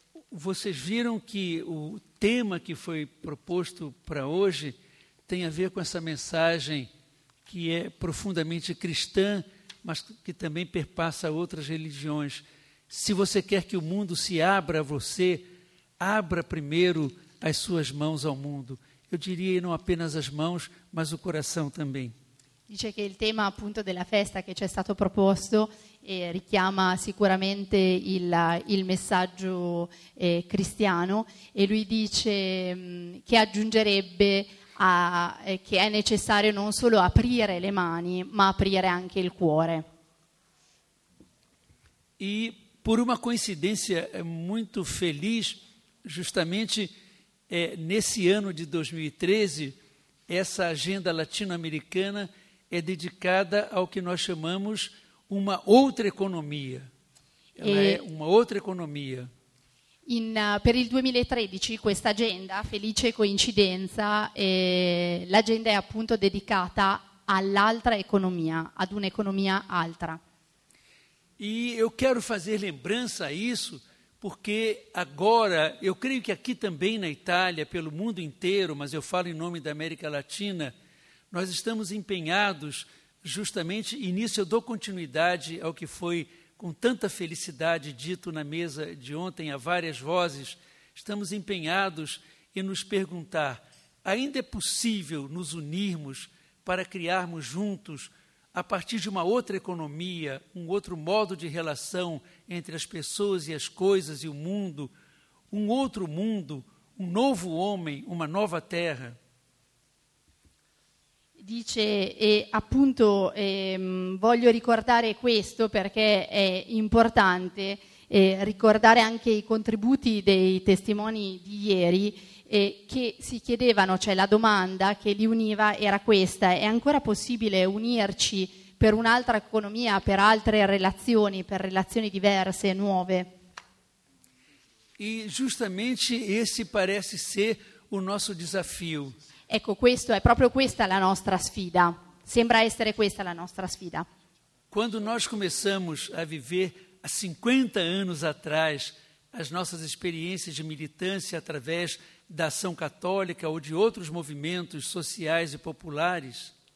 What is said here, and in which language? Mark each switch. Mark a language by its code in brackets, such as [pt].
[pt] vocês viram que o tema que foi proposto para hoje tem a ver com essa mensagem que é profundamente cristã, mas que também perpassa outras religiões. Se você quer que o mundo se abra a você, abra primeiro as suas mãos ao mundo. Eu diria não apenas as mãos, mas o coração também. [it] Dice che il tema appunto della festa che ci è stato proposto richiama sicuramente il messaggio cristiano, e lui dice che aggiungerebbe che è necessario non solo aprire le mani, ma aprire anche il cuore. E per una coincidenza molto felice, giustamente [pt] nesse anno di 2013, essa agenda latino-americana é dedicada ao que nós chamamos uma outra economia. Ela é uma outra economia. [it] Per il 2013, questa agenda, felice coincidenza, l'agenda è appunto dedicata all'altra economia, ad un'economia altra. [pt] E eu quero fazer lembrança a isso, porque agora, eu creio que aqui também na Itália, pelo mundo inteiro, mas eu falo em nome da América Latina, nós estamos empenhados justamente, e nisso eu dou continuidade ao que foi com tanta felicidade dito na mesa de ontem a várias vozes, estamos empenhados em nos perguntar, ainda é possível nos unirmos para criarmos juntos, a partir de uma outra economia, um outro modo de relação entre as pessoas e as coisas e o mundo, um outro mundo, um novo homem, uma nova terra? [it] Dice, e appunto voglio ricordare questo perché è importante ricordare anche i contributi dei testimoni di ieri che si chiedevano, cioè la domanda che li univa era questa: è ancora possibile unirci per un'altra economia, per altre relazioni, per relazioni diverse, nuove? [pt] E giustamente esse parece ser o nosso desafio. [it] Ecco, questo è proprio questa la nostra sfida. Sembra essere questa la nostra sfida. [pt] Quando nós começamos a viver há 50 anos atrás as nossas experiências de militância através da ação católica ou de outros movimentos sociais e populares.